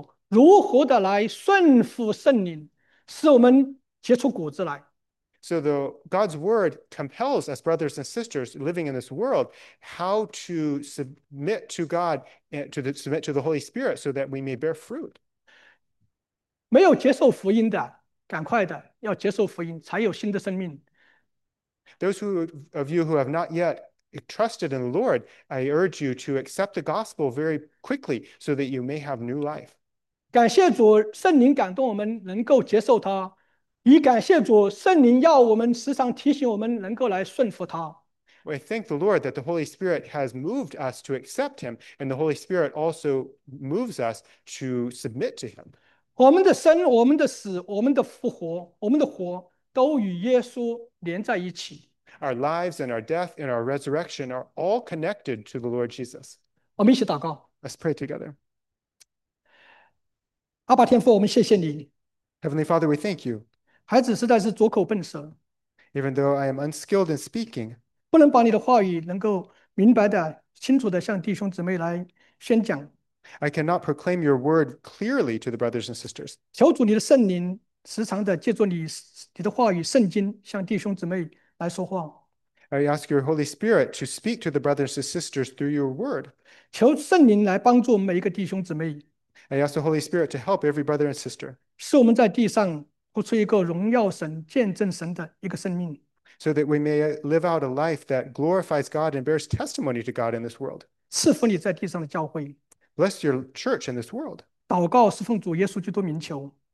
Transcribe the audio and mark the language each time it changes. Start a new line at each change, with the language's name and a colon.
Chinese: 如何的来顺服圣灵，使我们结出果子来。
English: So the God's word compels us, brothers and sisters living in this world, how to submit to God and to the, submit to the Holy Spirit so that we may bear fruit.
Chinese: 没有接受福音的，赶快的要接受福音，才有新的生命。
English: Those who, of you who have not yet trusted in the Lord, I urge you to accept the gospel very quickly so that you may have new life.
Chinese: 感谢主，圣灵感动我们能够接受他。以感谢主，圣灵要我们时常提醒我们能够来顺服他。
English: We thank the Lord that the Holy Spirit has moved us to accept him, and the Holy Spirit also moves us to submit to him.
Chinese: 我们的生、我们的死、我们的复活、我们的活，都与耶稣连在一起。
English: Our lives and our death and our resurrection are all connected to the Lord Jesus.
Chinese: 我们一起祷告。
English: Let's pray together.
Chinese: 阿爸天父，我们谢谢你。
English: Heavenly Father, we thank you.
Chinese: 孩子实在是拙口笨舌，
English: Even though I am unskilled in speaking,
Chinese: 不能把你的话语能够明白的、清楚的向弟兄姊妹来宣讲。
English: I cannot proclaim your word clearly to the brothers and sisters.
Chinese: 求主你的圣灵时常的借助你的话语、圣经向弟兄姊妹来说话。
English: I ask your Holy Spirit to speak to the brothers and sisters through your word.
Chinese: 求圣灵来帮助每一个弟兄姊妹。
English: I ask the Holy Spirit to help every brother and sister.
Chinese: 使我们在地上活出一个荣耀神、见证神的一个生命。
English: So that we may live out a life that glorifies God and bears testimony to God in this world.
Chinese: 赐福你在地上的教会。
English: Bless your church in this world.
Chinese: 祷告是奉主耶稣基督名求。